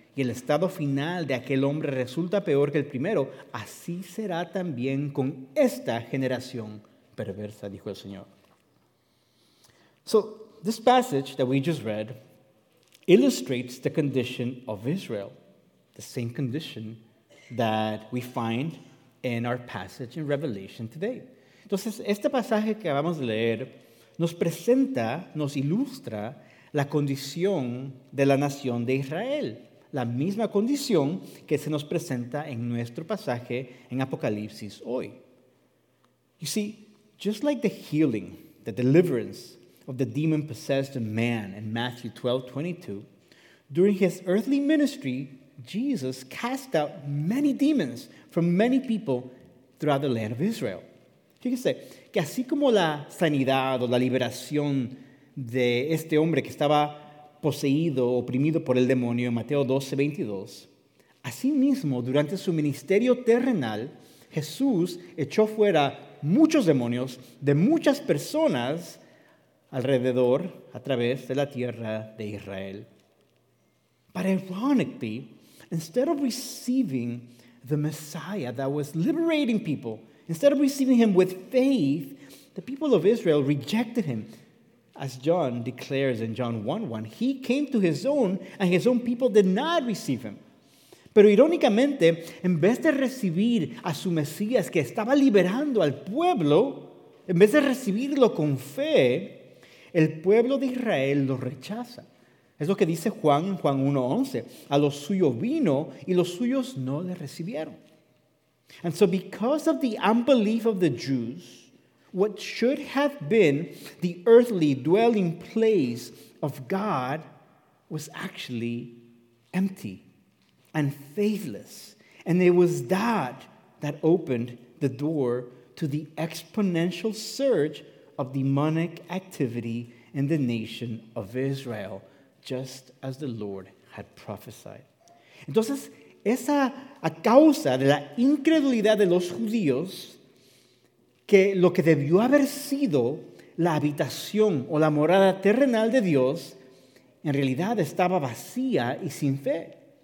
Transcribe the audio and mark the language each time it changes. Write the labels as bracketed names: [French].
[Spanish] Y el estado final de aquel hombre resulta peor que el primero. Así será también con esta generación perversa, dijo el Señor. [English] So, this passage that we just read illustrates the condition of Israel the same condition that we find in our passage in Revelation today. [Spanish] Entonces, este pasaje que vamos a leer nos presenta, nos ilustra la condición de la nación de Israel, la misma condición que se nos presenta en nuestro pasaje en Apocalipsis hoy. [English] You see, just like the healing, the deliverance of the demon-possessed man in Matthew 12:22, during his earthly ministry, Jesus cast out many demons from many people throughout the land of Israel. [Spanish] Fíjense que así como la sanidad o la liberación de este hombre que estaba poseído, oprimido por el demonio en Mateo 12:22, asimismo, durante su ministerio terrenal, Jesús echó fuera muchos demonios de muchas personas alrededor, a través de la tierra de Israel. [English] But ironically, instead of receiving the Messiah that was liberating people, instead of receiving him with faith, the people of Israel rejected him. As John declares in John 1:1, he came to his own, and his own people did not receive him. [Spanish] Pero irónicamente, en vez de recibir a su Mesías que estaba liberando al pueblo, en vez de recibirlo con fe, el pueblo de Israel lo rechaza. Es lo que dice Juan en Juan 1:11. A lo suyo vino y los suyos no le recibieron. [English] And so because of the unbelief of the Jews, what should have been the earthly dwelling place of God was actually empty and faithless. And it was that opened the door to the exponential surge of demonic activity in the nation of Israel, just as the Lord had prophesied. [Spanish] Entonces, esa a causa de la incredulidad de los judíos, que lo que debió haber sido la habitación o la morada terrenal de Dios, en realidad estaba vacía y sin fe.